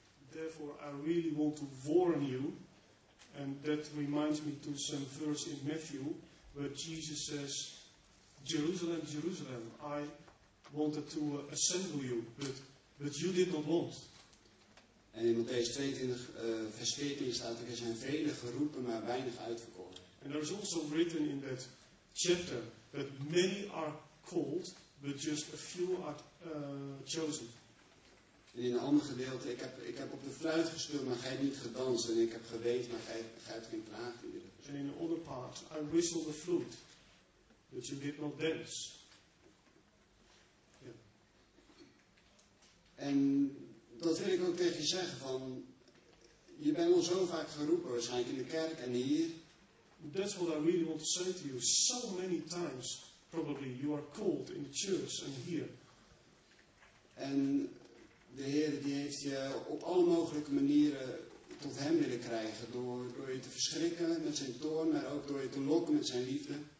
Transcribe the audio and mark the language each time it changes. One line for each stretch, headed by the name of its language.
English: Therefore, I really want to warn you, and that reminds me to some verse in Matthew, where Jesus says, Jerusalem, Jerusalem, I wanted to assemble you, but you did not want.
Dutch: En in Matthäus 22, vers 14 staat, er zijn vele geroepen, maar weinig uitverkoren.
English: And there is also written in that chapter, that many are called, but just a few are chosen.
Dutch: En in een ander gedeelte, ik heb op de fluit gespeeld, maar gij niet gedanst. En ik heb geweten, maar gij hebt geen plaat meer.
English: And in another part, I whistled the flute, but you did not dance. Yeah.
Dutch: En dat wil ik ook tegen je zeggen, van je bent al zo vaak geroepen, waarschijnlijk in de kerk en hier.
English: That's what I really want to say to you. So many times, probably, you are called in the church and here.
Dutch: En de Heer die heeft je op alle mogelijke manieren tot hem willen krijgen. Door je te verschrikken met zijn toorn, maar ook door je te lokken met zijn liefde.